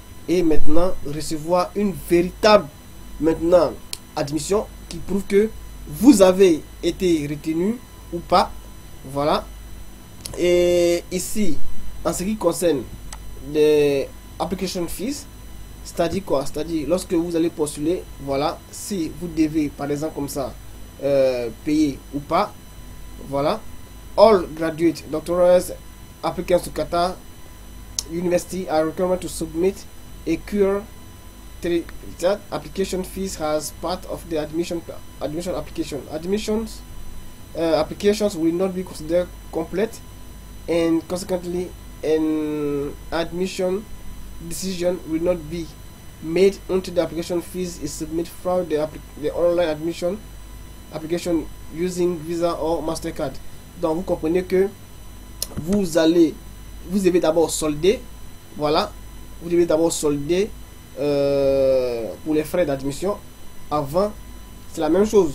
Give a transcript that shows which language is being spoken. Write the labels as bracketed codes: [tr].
[fr] Et maintenant recevoir une véritable maintenant admission qui prouve que vous avez été retenu ou pas. Voilà. Et ici, en ce qui concerne les application fees, c'est-à-dire quoi? C'est-à-dire lorsque vous allez postuler, voilà, si vous devez par exemple comme ça payer ou pas. Voilà. [en] All graduate doctoral applicants to Qatar University are required to submit a cure that application fees as part of the admission application. Applications will not be considered complete and consequently an admission decision will not be made until the application fees is submitted through the online admission application using Visa or Mastercard. [fr] Donc vous comprenez que vous devez d'abord solder, voilà. Vous devez d'abord solder pour les frais d'admission avant. C'est la même chose.